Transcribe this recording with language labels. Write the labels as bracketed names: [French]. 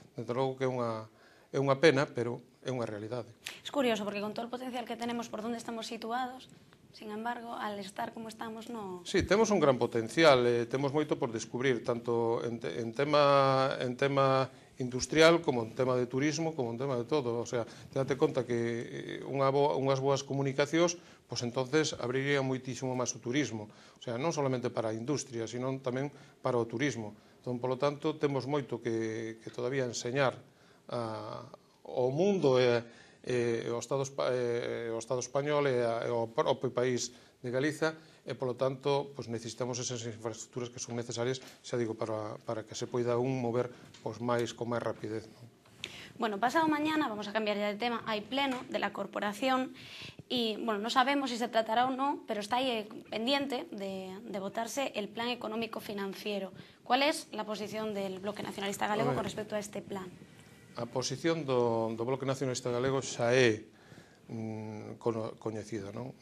[Galician] Dentro logo que é unha pena, pero é unha realidade. [Spanish] Es curioso, porque con todo o potencial que tenemos por onde estamos situados, sin embargo, al estar como estamos, no... [Galician] Sí, temos un gran potencial, temos moito por descubrir, tanto en tema industrial, como en tema de turismo, como en tema de todo. O sea, tenete conta que unhas boas comunicacións, pois entonces abriría moitísimo máis o turismo. O sea, non solamente para a industria, sino tamén para o turismo. Entón, polo tanto, temos moito que todavía enseñar ao mundo o Estado español e o propio país de Galiza e, polo tanto, pues necesitamos esas infraestructuras que son necesarias, xa digo, para que se poida un mover pues, máis con máis rapidez, ¿no? [Spanish] Bueno, pasado mañana, vamos a cambiar ya de tema, hai pleno de la corporación e, bueno, [Galician] non sabemos se tratará ou non, [Spanish] pero está aí pendiente de votarse el plan económico financiero. ¿Cuál es la posición del Bloque Nacionalista Galego con respecto a este plan? [Galician] A posición do Bloque Nacionalista Galego xa é coñecida, non?